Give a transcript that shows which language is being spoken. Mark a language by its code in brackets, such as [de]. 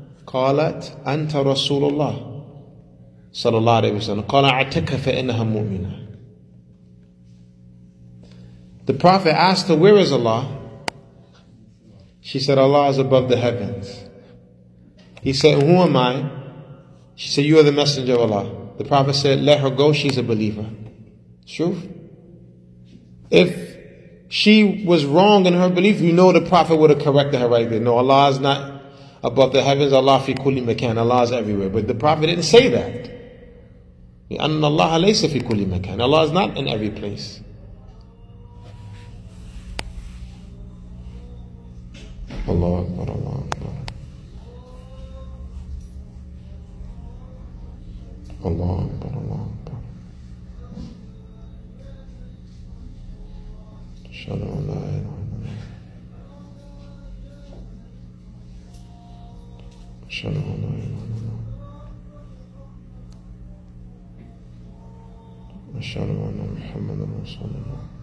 [ar] قالت أنت رسول الله صلى الله عليه وسلم قال أعتك فإنها مؤمنة. [en] The Prophet asked her, where is Allah? She said, Allah is above the heavens. He said, who am I? She said, you are the messenger of Allah. The Prophet said, let her go, she's a believer. True. If she was wrong in her belief, you know the Prophet would have corrected her right there. No, Allah is not above the heavens, [ar] Allah fi kulli makan, [en] Allah is everywhere. But the Prophet didn't say that. [ar] لأن الله ليس في كل مكان. [en] Allah is not in every place. [ar] الله أكبر الله أكبر الله أكبر الله أكبر أشهد أن لا إله إلا الله أشهد أن لا إله إلا الله أشهد أن محمدا رسول الله